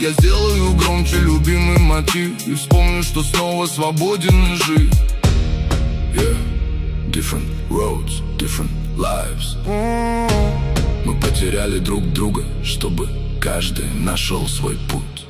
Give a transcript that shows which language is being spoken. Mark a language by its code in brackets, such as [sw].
[ru] Я сделаю громче любимый мотив и вспомню, что снова свободен и жив. [en] Yeah, different roads, different lives. [ru] Мы потеряли друг друга, чтобы каждый нашел свой путь.